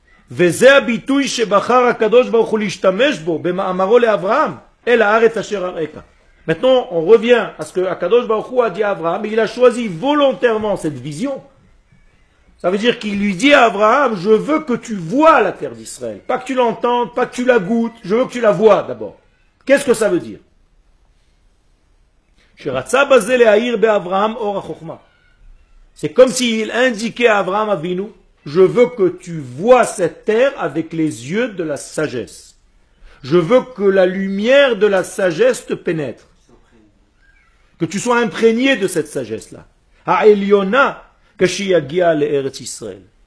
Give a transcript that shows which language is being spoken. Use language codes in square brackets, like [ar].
[he] וזה הביטוי שבחר הקדוש ברוך הוא להשתמש בו במאמרו לאברהם אל הארץ אשר אראך. [fr] Maintenant, on revient à ce que Akadosh Baruch Hu a dit à Abraham, il a choisi volontairement cette vision. Ça veut dire qu'il lui dit à Abraham, je veux que tu vois la terre d'Israël, pas que tu l'entendes, pas que tu la goûtes, je veux que tu la vois d'abord. Qu'est-ce que ça veut dire? [he] שרצה בזה להאיר באברהם אור החוכמה. [fr] C'est comme s'il indiquait à Abraham Avinu, je veux que tu vois cette terre avec les yeux de la sagesse. Je veux que la lumière de la sagesse te pénètre. Que tu sois imprégné de cette sagesse-là. [he] Ha Eliona, Kashiyagia le Eretz Israël.